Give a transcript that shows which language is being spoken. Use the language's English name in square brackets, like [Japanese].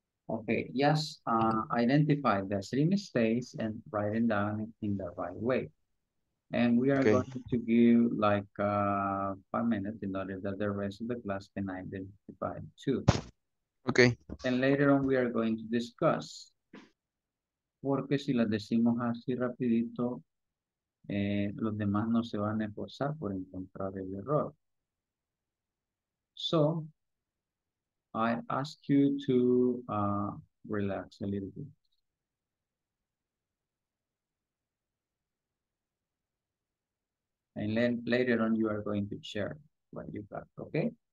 [English] Okay, yes, identify the three mistakes and write them down in the right way. And we are going to give like 5 minutes in order that the rest of the class can identify too. Okay. And later on, we are going to discuss. [Spanish] Porque si las decimos así rapidito, los demás no se van a esforzar por encontrar el error. [English] So, I ask you to relax a little bit. And then later on you are going to share what you got, okay?